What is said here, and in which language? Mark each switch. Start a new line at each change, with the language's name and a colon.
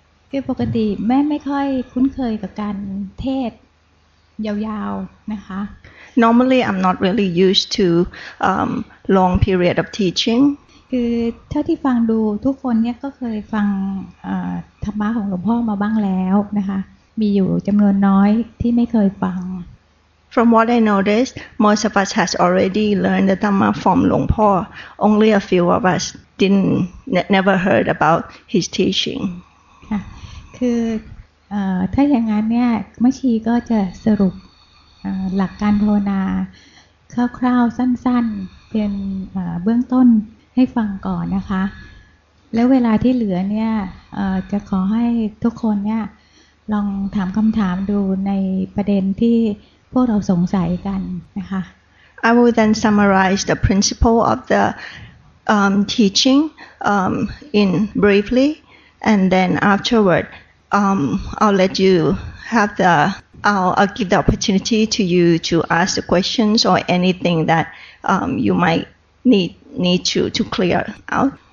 Thai: คือปกติแม่ไม่ค่อยคุ้นเคยกับการเทศยาวๆนะคะ
English: Normally I'm not really used to long period of teaching
Thai: คือเท่าที่ฟังดูทุกคนเนี่ยก็เคยฟังธรรมะของหลวงพ่อมาบ้างแล้วนะคะมีอยู่จำนวนน้อยที่ไม่เคยฟัง
English: From what I noticed, most of us has already learned the Dhamma from Long Po. Only a few of us never heard about his teaching.
Thai: คือถ้าอย่างนั้นเนี่ยมัชชีก็จะสรุปหลักการภาวนาคร่าวๆสั้นๆเป็นเบื้องต้นให้ฟังก่อนนะคะแล้วเวลาที่เหลือเนี่ยจะขอให้ทุกคนเนี่ยลองถามคำถามดูในประเด็นที่พวกเราสงสัยกันนะคะ
English: I will then summarize the principle of the teaching in briefly and then afterward I'll let you have the I'll give the opportunity to you to ask the questions or anything that you might need to clear out